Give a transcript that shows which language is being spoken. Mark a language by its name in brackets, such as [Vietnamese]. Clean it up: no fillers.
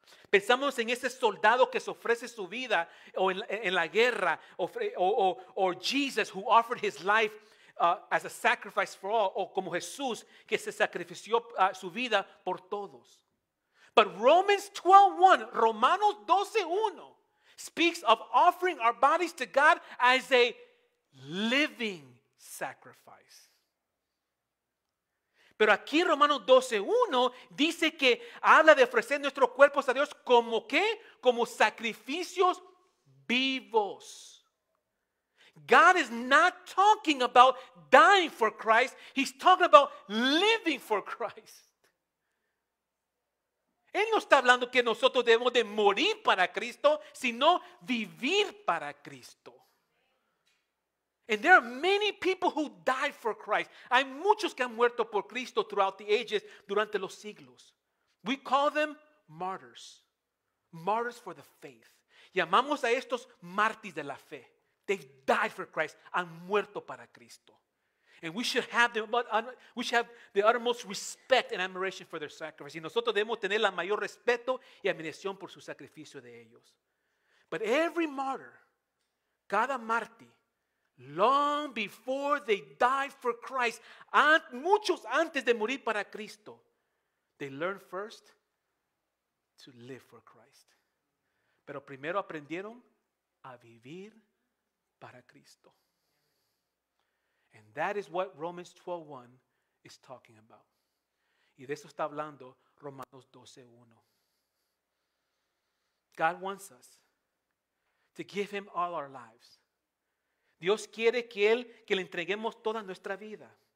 [Spanish] Pensamos en ese soldado que se ofrece su vida o en la guerra, [English] or Jesus who offered his life as a sacrifice for all, [Spanish] o como Jesús que se sacrificó su vida por todos. [English] But Romans 12:1, Romanos 12:1, speaks of offering our bodies to God as a living sacrifice. [Spanish] Pero aquí Romanos 12:1 dice que habla de ofrecer nuestros cuerpos a Dios como qué? Como sacrificios vivos. [English] God is not talking about dying for Christ. He's talking about living for Christ. [Spanish] Él no está hablando que nosotros debemos de morir para Cristo, sino vivir para Cristo. [English] And there are many people who died for Christ. [Spanish] Hay muchos que han muerto por Cristo [English] throughout the ages, [Spanish] durante los siglos. [English] We call them martyrs. Martyrs for the faith. [Spanish] Llamamos a estos mártires de la fe. [English] They've died for Christ. [Spanish] Han muerto para Cristo. [English] And we should have the uttermost respect and admiration for their sacrifice. [Spanish] Y nosotros debemos tener la mayor respeto y admiración por su sacrificio de ellos. [English] But every martyr, [Spanish] cada mártir, [English] long before they died for Christ, [Spanish] muchos antes de morir para Cristo, [English] they learned first to live for Christ. [Spanish] Pero primero aprendieron a vivir para Cristo. [English] And that is what Romans 12:1 is talking about. [Spanish] Y de eso está hablando Romanos 12:1. [English] God wants us to give him all our lives. [Spanish] Dios quiere que él, que le entreguemos toda nuestra vida.